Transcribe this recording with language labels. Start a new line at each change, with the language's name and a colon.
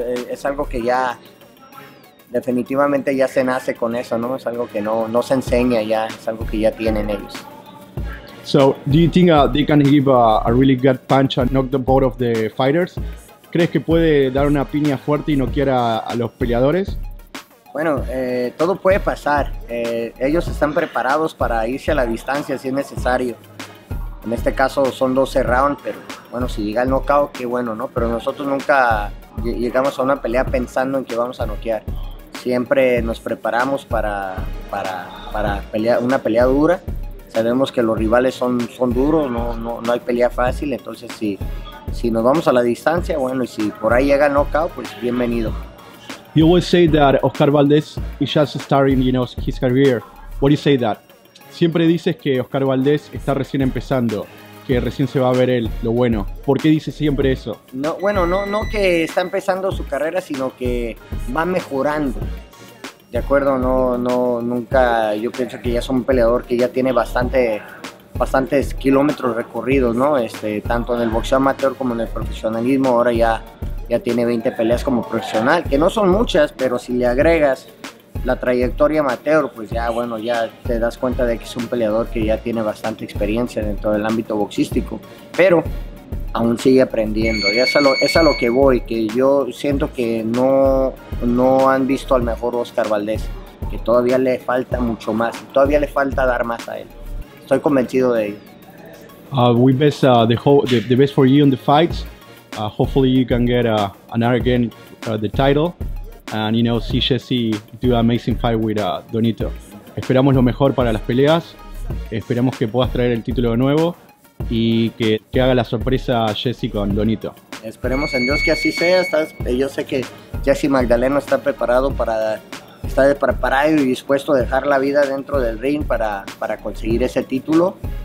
Spanish: Es algo que ya definitivamente ya se nace con eso, ¿no? Es algo que no se enseña ya, es algo que ya tienen ellos.
English: So, do you think they can give a really good punch and knock the board of the fighters?
Spanish: ¿Crees que puede dar una piña fuerte y noquear a los peleadores? Bueno, todo puede pasar. Ellos están preparados para irse a la distancia si es necesario. En este caso son 12 rounds, pero bueno, si llega el knockout, qué bueno, ¿no? Pero nosotros nunca llegamos a una pelea pensando en que vamos a noquear. Siempre nos preparamos para pelear, una pelea dura. Sabemos que los rivales son duros, no hay pelea fácil, entonces si nos vamos a la distancia, bueno, y si por ahí llega knockout, pues bienvenido.
English: You always say that Oscar Valdez is just starting, you know, his career. What do you say that?
Spanish: Siempre dices que Oscar Valdez está recién empezando, que recién se va a ver él, lo bueno. ¿Por qué dices siempre eso? No que está empezando su carrera, sino que va mejorando. De acuerdo, nunca, yo pienso que ya es un peleador que ya tiene bastantes kilómetros recorridos, ¿no? Tanto en el boxeo amateur como en el profesionalismo, ahora ya tiene 20 peleas como profesional, que no son muchas, pero si le agregas la trayectoria amateur, pues ya, bueno, ya te das cuenta de que es un peleador que ya tiene bastante experiencia dentro del ámbito boxístico, pero aún sigue aprendiendo, y es a lo que voy, que yo siento que no han visto al mejor Oscar Valdez, que todavía le falta mucho más, todavía le falta dar más a él. Estoy convencido de ello.
English: We best the best for you in the fights. Hopefully you can get another again the title, and you know see Jesse do an amazing fight with Donito.
Spanish: Esperamos lo mejor para las peleas. Esperamos que puedas traer el título de nuevo y que haga la sorpresa a Jesse con Donito. Esperemos en Dios que así sea. Yo sé que Jesse Magdaleno está preparado y dispuesto a dejar la vida dentro del ring para conseguir ese título.